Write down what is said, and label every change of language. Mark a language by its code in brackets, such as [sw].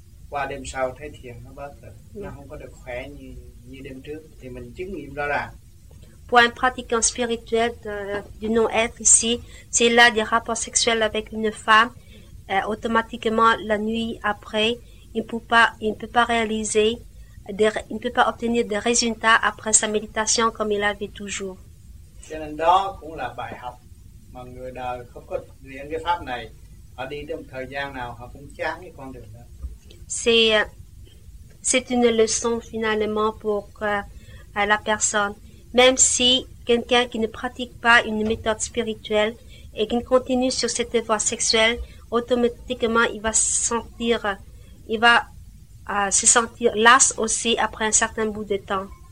[vi] Qua đêm sau thấy thiền nó bớt rồi, nó không có được khỏe như như đêm trước thì mình chứng nghiệm rõ ràng. [fr] Pour un pratiquant spirituel du non-être ici, s'il a des rapports sexuels avec une femme, automatiquement la nuit après, il ne peut pas obtenir des résultats après sa méditation comme il avait toujours. [vi] Cho nên đó cũng là bài học mà người đời không có luyện cái pháp này, họ đi trong thời gian nào họ cũng chán cái con đường đó. [fr] C'est une leçon finalement pour la personne. Même si quelqu'un qui ne pratique pas une méthode spirituelle et qui continue sur cette voie sexuelle, automatiquement il va se sentir las aussi après un certain bout de temps.